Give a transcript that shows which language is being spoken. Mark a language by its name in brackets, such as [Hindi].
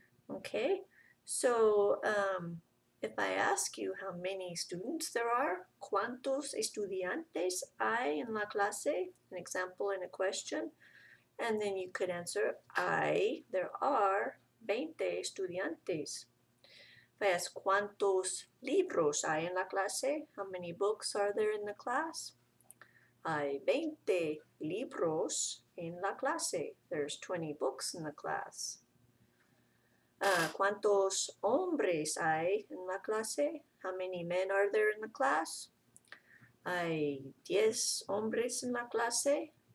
[English] Okay, so if I ask you how many students there are, [Spanish] ¿cuántos estudiantes hay en la clase? [English] An example in a question. And then you could answer, [Spanish] hay, [English] there are 20 estudiantes. If I ask, [Spanish] ¿cuántos libros hay en la clase? [English] How many books are there in the class? [Spanish] Hay 20 libros en la clase. [English] There's 20 books in the class. [Spanish] ¿Cuántos hombres hay en la clase? [English] How many men are there in the class? [Spanish] Hay 10 hombres en la clase.